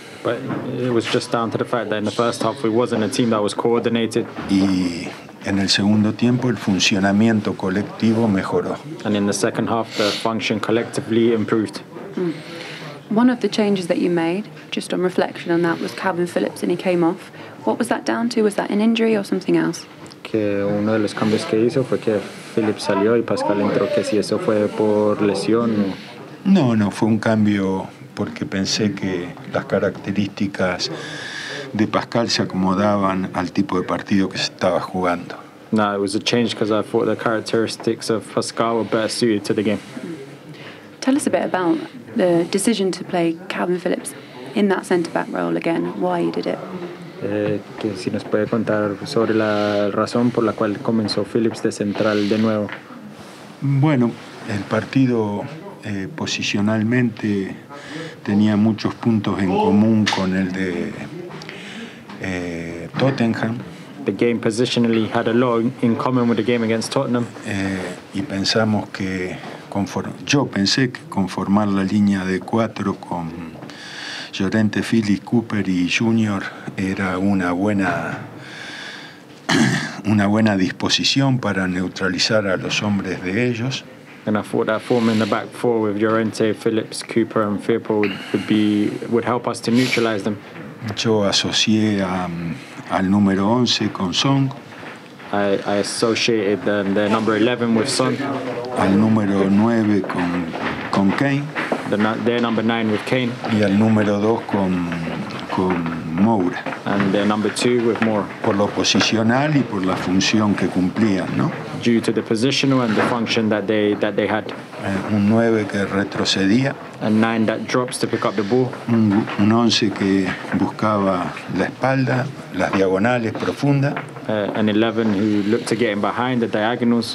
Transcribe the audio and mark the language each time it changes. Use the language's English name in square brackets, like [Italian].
[English] But it was just down to the fact that in the first half we wasn't a team that was coordinated. [Spanish] Y en el segundo tiempo el funcionamiento colectivo mejoró. [English] And in the second half the function collectively improved. Mm. One of the changes that you made, just on reflection on that, was Calvin Phillips, and he came off. What was that down to? Was that an injury or something else? [Spanish] Que uno de los cambios que hizo fue que Phillips salió y Pascal entró. Que si eso fue por lesión. No, fue un cambio porque pensé que las características de Pascal se acomodaban al tipo de partido que se estaba jugando. [English] No, it was a change because I thought the characteristics of Pascal were better suited to the game. Tell us a bit about the decision to play Calvin Phillips in that centre-back role again, why you did it. [Spanish] Que si nos puede contar sobre la razón por la cual comenzó Phillips de central de nuevo. Bueno, el partido posicionalmente tenía muchos puntos en común con el de Tottenham. [English] The game positionally had a lot in common with the game against Tottenham. [Spanish] Y pensamos que yo pensé que conformar la línea de cuatro con Llorente, Phillips, Cooper y Junior era una buena disposición para neutralizar a los hombres de ellos. [English] And I thought that forming the back four with Llorente, Phillips, Cooper and Firpo would help us to neutralize them. [Spanish] Yo asocié al número 11 con Song. [English] I associated the number 11 with Son. [Spanish] Al número 9 con Kane. [English] Their number 9 with Kane. [Spanish] Y al número 2 con Moura. [English] And their number 2 with Moura. [Spanish] Por lo posicional y por la función que cumplían, ¿no? [English] Due to the positional and the function that they had. [Spanish] Un 9 que retrocedía. [English] A 9 that drops to pick up the ball. [Spanish] Un 11 que buscaba la espalda, las diagonales profundas. [English] An 11 who looked to get in behind the diagonals.